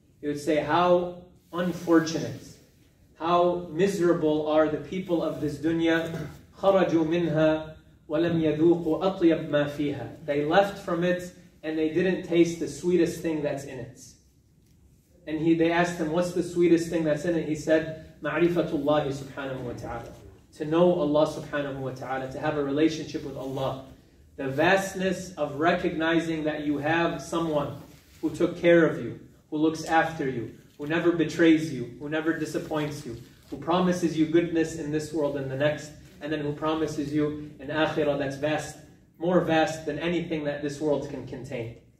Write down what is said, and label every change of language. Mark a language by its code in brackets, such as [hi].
[en] He would say, how unfortunate, how miserable are the people of this dunya. [ar] خَرَجُوا مِنْهَا وَلَمْ يَذُوقُوا أَطْيَبْ مَا فِيهَا. [en] They left from it and they didn't taste the sweetest thing that's in it. And they asked him, what's the sweetest thing that's in it? He said, [ar] مَعْرِفَةُ اللَّهِ سُبْحَانَهُ وَتَعَالَى. [en] To know Allah subhanahu wa ta'ala, to have a relationship with Allah. The vastness of recognizing that you have someone who took care of you, who looks after you, who never betrays you, who never disappoints you, who promises you goodness in this world and the next, and then who promises you an akhirah that's vast, more vast than anything that this world can contain.